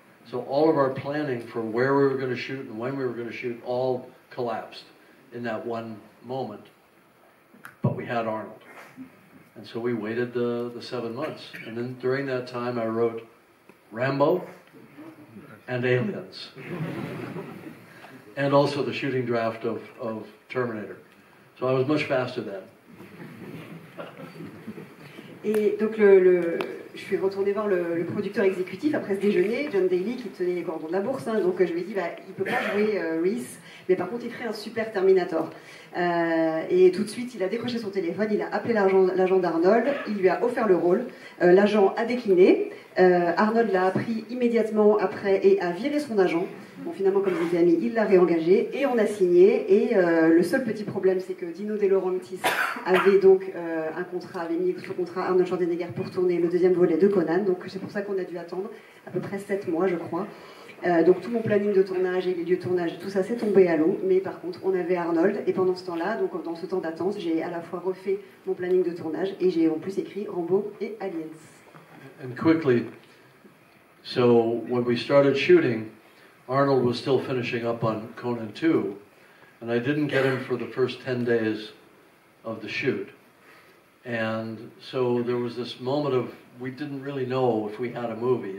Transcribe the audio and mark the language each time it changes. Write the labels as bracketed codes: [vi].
[en] So all of our planning for where we were going to shoot and when we were going to shoot all collapsed in that one moment. But we had Arnold. And so we waited the 7 months. And then during that time I wrote Rambo and Aliens, and also the shooting draft of Terminator. So I was much faster then. [fr] Et donc le je suis retournée voir le producteur exécutif après ce déjeuner, John Daly, qui tenait les cordons de la bourse. Hein, donc je lui ai dit, bah, il peut pas jouer Reese, mais par contre, il ferait un super Terminator. Et tout de suite, il a décroché son téléphone, il a appelé l'agent d'Arnold, il lui a offert le rôle. L'agent a décliné. Arnold l'a appris immédiatement après et a viré son agent. Bon, finalement, comme je vous ai dit, il l'a réengagé et on a signé. Et le seul petit problème, c'est que Dino De Laurentiis avait donc un contrat, avait mis sous contrat Arnold Schwarzenegger pour tourner le deuxième volet de Conan. Donc c'est pour ça qu'on a dû attendre à peu près 7 mois, je crois. Donc tout mon planning de tournage et les lieux de tournage, tout ça s'est tombé à l'eau. Mais par contre, on avait Arnold. Et pendant ce temps-là, donc dans ce temps d'attente, j'ai à la fois refait mon planning de tournage et j'ai en plus écrit Rambo et Aliens. [en] And quickly, so when we started shooting, Arnold was still finishing up on Conan 2, and I didn't get him for the first 10 days of the shoot. And so there was this moment of, we didn't really know if we had a movie.